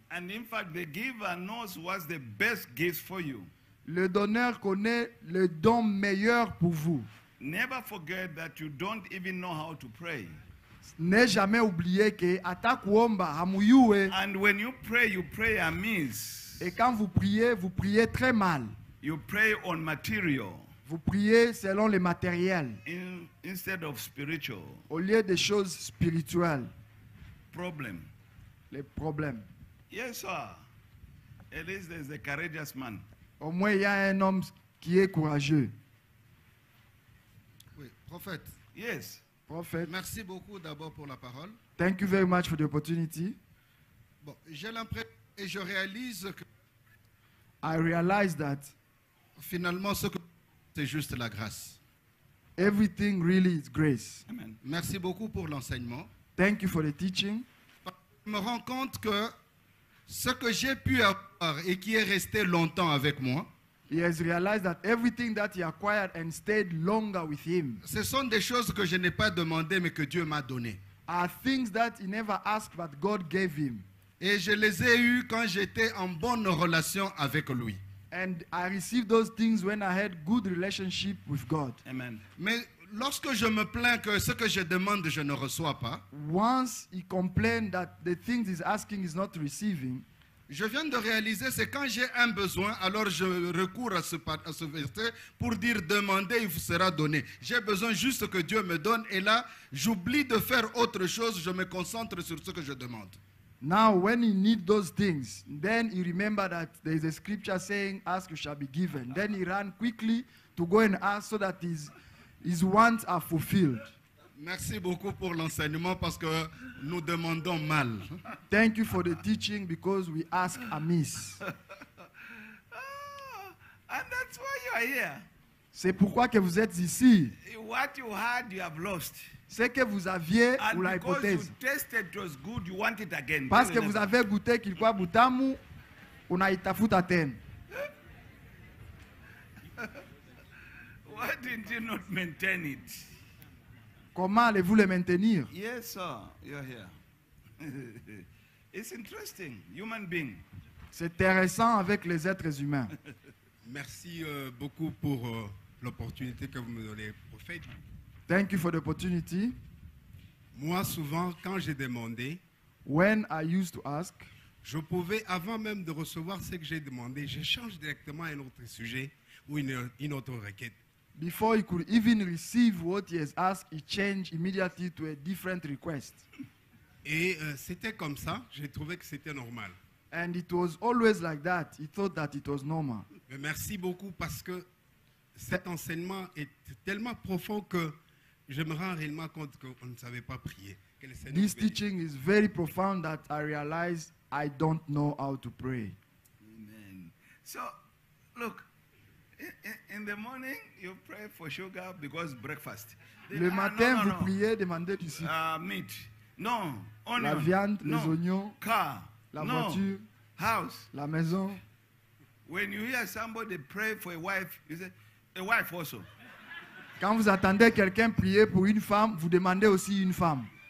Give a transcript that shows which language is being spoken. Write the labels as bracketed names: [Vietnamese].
[English] And in fact the giver knows what's the best gift for you. [French] Le donneur connaît le don meilleur pour vous. [English] Never forget that you don't even know how to pray. [French] N'ai jamais oublié que [Swahili] atakuomba hamuyue. [English] And when you pray amiss. [French] Et quand vous priez très mal. [English] You pray on material. [French] Vous priez selon le matériel. [English] Instead of spiritual. [French] Au lieu des choses spirituelles. [English] Problem. [French] Les problèmes. [English] Yes sir. At least there's a courageous man. [French] Au moins il y a un homme qui est courageux. Oui, prophète. [English] Yes. [French] Prophète. Merci beaucoup d'abord pour la parole. [English] Thank you very much for the opportunity. [French] Bon, j'ai l'impression et je réalise que [English] I realize that [French] finalement ce que c'est juste la grâce. [English] Everything really is grace. Amen. [French] Merci beaucoup pour l'enseignement. [English] Thank you for the teaching. [French] Je me rends compte que ce que j'ai pu avoir et qui est resté longtemps avec moi. [English] He has realized that everything that he acquired and stayed longer with him. [French] Ce sont des choses que je n'ai pas demandé mais que Dieu m'a donné. [English] Are things that he never asked but God gave him. [French] Et je les ai eu quand j'étais en bonne relation avec lui. [English] And I received those things when I had good relationship with God. Amen. [French] Mais lorsque je me plains que ce que je demande je ne reçois pas. [English] Once he complained that the things he's asking is not receiving. [French] Je viens de réaliser, c'est quand j'ai un besoin, alors je recours à ce verset pour dire demandez, il vous sera donné. J'ai besoin juste que Dieu me donne, et là, j'oublie de faire autre chose, je me concentre sur ce que je demande. [English] Now, when he needs those things, then he remembers that there is a scripture saying, ask, you shall be given. Then he ran quickly to go and ask so that his wants are fulfilled. [French] Merci beaucoup pour l'enseignement parce que nous demandons mal. [English] Thank you for the teaching because we ask amiss. And that's why you are here. [French] C'est pourquoi que vous êtes ici. [English] What you had, you have lost. [French] Ce que vous aviez, [English] and [French] vous l'hypothèse. [English] Because you tested it was good, you want it again. [French] Parce que vous avez goûté qu'il quoi [Swahili] butamu, [French] on a [Swahili] itafuta [French] ten. [English] Why didn't you not maintain it? [French] Comment allez-vous le maintenir? [English] Yes, sir, you're here. It's interesting, human being. [French] C'est intéressant avec les êtres humains. Merci beaucoup pour l'opportunité que vous me donnez, prophète. [English] Thank you for the opportunity. [French] Moi, souvent, quand j'ai demandé, [English] when I used to ask, [French] je pouvais, avant même de recevoir ce que j'ai demandé, je change directement un autre sujet ou une autre requête. [English] Before he could even receive what he has asked, he changed immediately to a different request. [French] Et c'était comme ça, j'ai trouvé que c'était normal. [English] And it was always like that. He thought that it was normal. [French] Mais merci beaucoup parce que cet enseignement est tellement profond que je me rends réellement compte qu'on ne savait pas prier. [English] This teaching is very profound that I realize I don't know how to pray. Amen. So, look. In the morning, you pray for sugar because breakfast. [French] Le matin, [English] no, no, [French] vous priez, demandez du sucre. [English] Meat. No, onion. [French] La viande, [English] no. [French] Les oignons. [English] Car. [French] La [English] no. [French] Voiture. [English] House. [French] La maison. [English] When you hear somebody pray for a wife, you say, a wife also. [French] Quand vous attendez quelqu'un prier pour une femme, vous demandez aussi une femme.